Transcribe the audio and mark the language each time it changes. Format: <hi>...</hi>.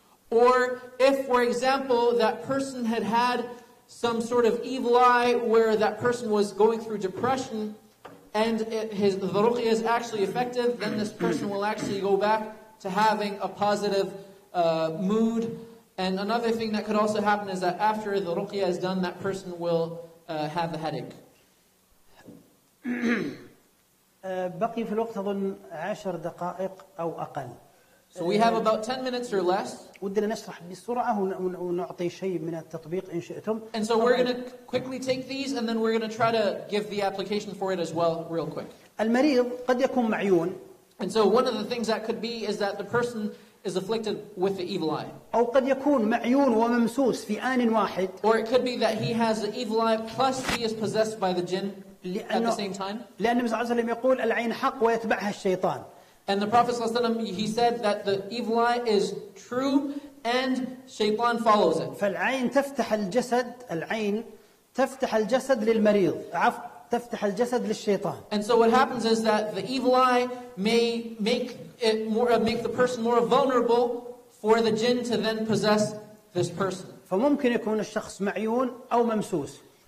<en>or if for example that person had some sort of evil eye where that person was going through depression and the ruqya is actually effective then this person will actually go back to having a positive mood and another thing that could also happen is that after the ruqya is done that person will have a headache</en> <ar>بقي في الوقت أظن 10 دقائق أو أقل.</ar> <en>So we have about 10 minutes or less.</en> <ar>ودنا نشرح بسرعة ونعطي شيء من التطبيق إن شئتم.</ar> <en>And so we're going to quickly take these and then we're going to try to give the application for it as well real quick.</en> <ar>المريض قد يكون معيون.</ar> <en>And so one of the things that could be is that the person is afflicted with the evil eye.</en> <ar>أو قد يكون معيون وممسوس في آن واحد.</ar> <en>Or it could be that he has the evil eye plus he is possessed by the jinn. At the same time,</en> <ar>لأن النبي صلى الله عليه وسلم يقول العين حق ويتبعها الشيطان.</ar> <en>And the Prophet</en> <ar>صلى الله عليه وسلم</ar> <en>he said that the evil eye is true and Shaytan follows it.</en> <ar>فالعين تفتح الجسد العين تفتح الجسد للمريض تفتح الجسد للشيطان.</ar> <en>And so what happens is that the evil eye may make it more make the person more vulnerable for the jinn to then possess this person.</en> <ar>فممكن يكون الشخص معيون أو ممسوس.</ar>